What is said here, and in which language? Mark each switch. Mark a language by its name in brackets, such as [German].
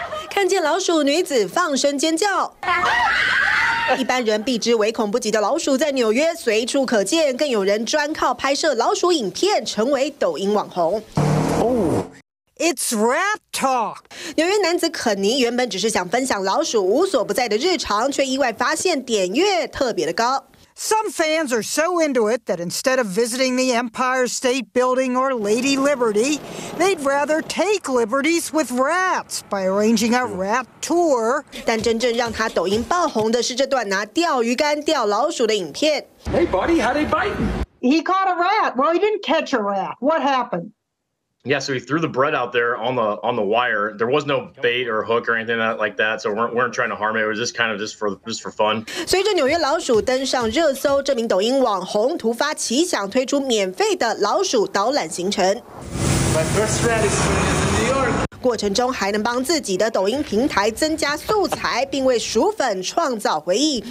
[Chinese] 看见老鼠，女子放声尖叫。一般人避之唯恐不及的老鼠在纽约随处可见，更有人专靠拍摄老鼠影片成为抖音网红。 [English] It's rat talk. [Chinese] 纽约男子肯尼原本只是想分享老鼠无所不在的日常，却意外发现点阅特别的高。 [English] Some fans are so into it that instead of visiting the Empire State Building or Lady Liberty, they'd rather take liberties with rats by arranging a rat tour. [Chinese] 但真正让他抖音爆红的是这段拿钓鱼竿钓老鼠的影片。 [English] Hey buddy, how they biting? He caught a rat. Well, he didn't catch a rat. What happened? Yeah, so he threw the bread out there on the wire. There was no bait or hook or anything like that, so we weren't trying to harm it. It was just kind of just for fun. [Chinese] 随着纽约老鼠登上热搜，这名抖音网红突发奇想，推出免费的老鼠导览行程。 [English] My first rat is in New York. [Chinese] 过程中还能帮自己的抖音平台增加素材，并为鼠粉创造回忆。